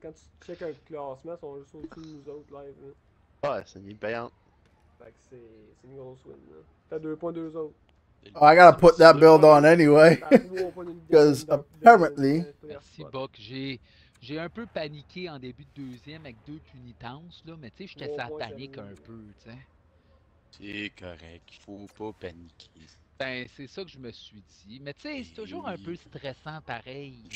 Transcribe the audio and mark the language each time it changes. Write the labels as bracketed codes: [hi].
[fr] Quand tu check un classement, ils sont juste au-dessus de nous autres live. Hein. Ouais, c'est une ligne payante. Fait que c'est une grosse win. Hein. T'as 2.2 autres. [en] Oh, I gotta put that build on anyway. Because apparently... [fr] Merci, Buck. J'ai un peu paniqué en début de deuxième avec deux punitances, là. Mais tu sais, j'étais sur la panique un peu, tu sais. C'est correct. Faut pas paniquer. Ben, c'est ça que je me suis dit. Mais tu sais, c'est toujours un peu stressant pareil.